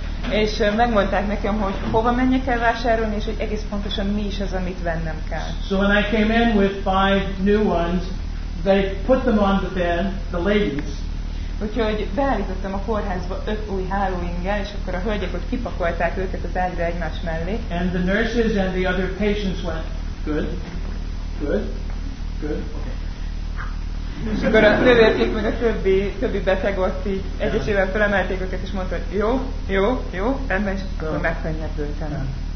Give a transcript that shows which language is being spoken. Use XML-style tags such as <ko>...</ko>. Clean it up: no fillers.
<hu>És megmondták nekem, hogy hova menjek el vásárolni, és hogy egész pontosan mi is az, amit vennem kell.</hu> <en>So when I came in with 5 new ones, they put them on the bed, the ladies.</en> <hu>Úgyhogy beállítottam a kórházba 5 új hálóinggel, és akkor a hölgyek ott kipakolták őket az ágyra egymás mellé.</hu> <en>And the nurses and the other patients went, good, good, good, okay.</en> <hu>És akkor a nővérkék meg a többi beteg ott így egyesével felemelték őket, és mondta, hogy jó, jó, jó, rendben, és akkor megkönnyebbültem.</hu>